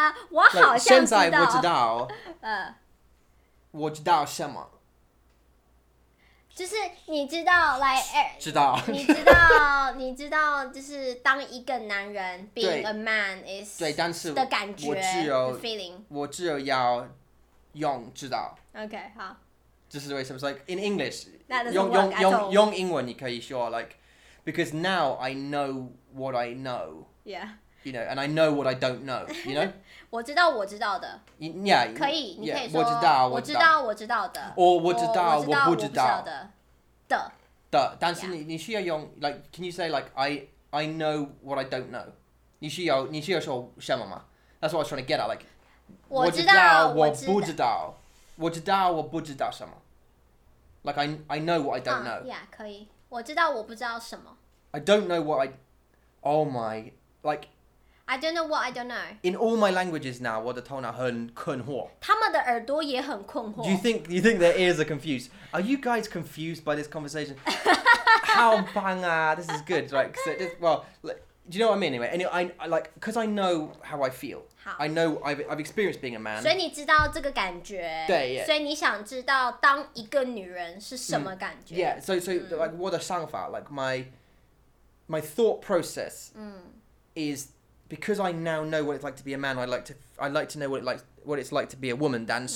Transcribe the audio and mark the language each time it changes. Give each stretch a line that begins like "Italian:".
Chinese: 我好像知道，现在我知道，我知道什么，就是你知道知道，你知道，就是当一个男人
English: being a man is
Chinese: 对，但是的感觉，我只有要用知道 OK 好，这是为什么
English: like in English that doesn't work at all
Chinese: 用英文你可以说
English: like because now I know what I know yeah you know and I know what I don't know you know
Chinese: 我知道我知道的
English: yeah
Chinese: 可以，你可以说我知道我知道的 or 我知道我不知道的的，但是你你需要用
English: like can you say like I know what I don't know
Chinese: 你需要说什么吗
English: that's what I was trying to get at like
Chinese: 我知道我不知道我知道我不知道什么
English: like I know what I don't know
Chinese: yeah 可以 我知道我不知道什么
English: I don't know what I oh my like I don't know what I don't know. In all my languages now,
Chinese: 我的头脑很困惑. 他们的耳朵也很困惑.
English: Do you think their ears are confused? Are you guys confused by this conversation? How bang ah, this is good. Right, so this, well, like, do you know what I mean anyway? And I because I know how I feel. I know I've experienced being a man.
Chinese: 所以你知道这个感觉. 对,
English: yeah.
Chinese: 所以你想知道当一个女人是什么感觉.
English: Mm, yeah, so like
Chinese: 我的想法,
English: like my thought process is because I now know what it's like to be a man, I like to know what it's like to be a woman.